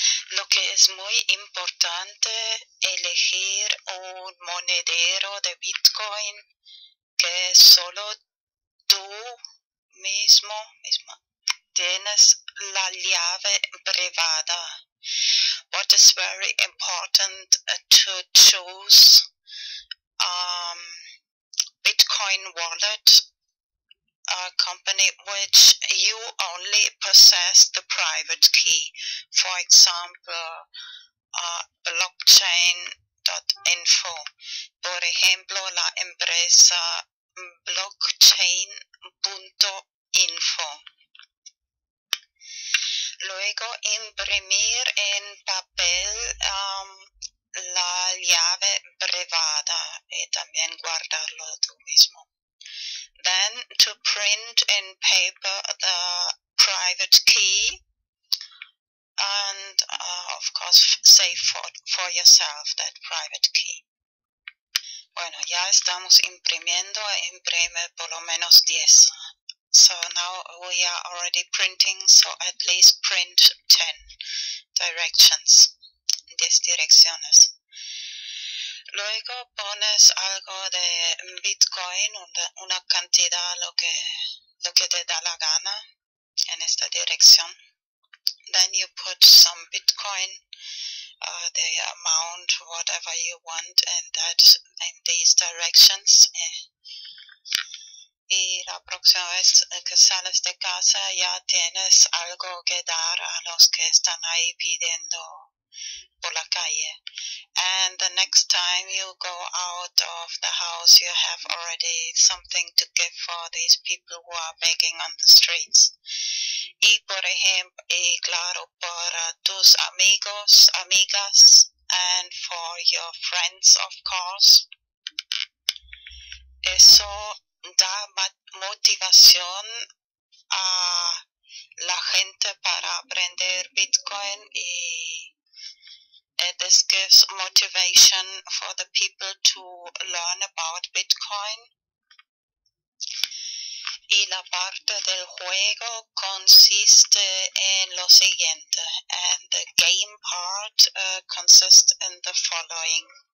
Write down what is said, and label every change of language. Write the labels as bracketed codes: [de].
[es] Lo que es muy importante elegir un monedero de Bitcoin que solo tú mismo tienes la llave privada. [en] What is very important to choose Bitcoin wallet, a company which you only possess the private key, for example, blockchain.info. [es] Por ejemplo, la empresa blockchain.info. Luego, imprimir en papel la llave privada y también guardarlo tú mismo. [en] Then to print in paper the private key and of course save for yourself that private key. [es] Bueno, ya estamos imprimiendo, imprime por lo menos 10. [en] So now we are already printing, so at least print 10 directions, [es] 10 direcciones. Luego pones algo de Bitcoin, una cantidad, lo que te da la gana en esta dirección. [en] Then you put some Bitcoin, the amount, whatever you want, and that in these directions. [es] Y la próxima vez que sales de casa ya tienes algo que dar a los que están ahí pidiendo por la calle. [en] And the next time you go out of the house, you have already something to give for these people who are begging on the streets. [es] Y por ejemplo, y claro, para tus amigos, amigas, [en] and for your friends, of course. [es] Eso da motivación a la gente para aprender Bitcoin y [en] this gives motivation for the people to learn about Bitcoin. [es] Y la parte del juego consiste en lo siguiente. [en] And the game part consists in the following.